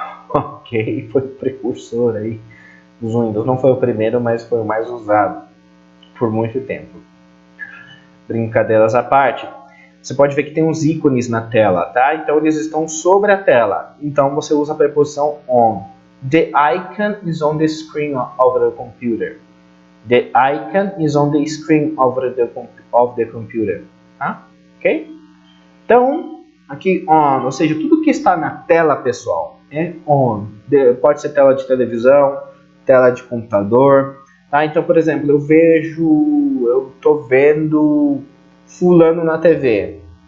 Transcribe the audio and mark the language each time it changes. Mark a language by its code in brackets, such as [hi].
[pt] Ok, foi o precursor aí dos Windows, não foi o primeiro, mas foi o mais usado por muito tempo. Brincadeiras à parte, você pode ver que tem uns ícones na tela, tá? Então eles estão sobre a tela, então você usa a preposição on. [en] The icon is on the screen of the computer. The icon is on the screen of the computer. [pt] Tá? Ok? Então, aqui on, ou seja, tudo que está na tela, pessoal, é on. Pode ser tela de televisão, tela de computador. Tá? Então, por exemplo, eu estou vendo fulano na TV.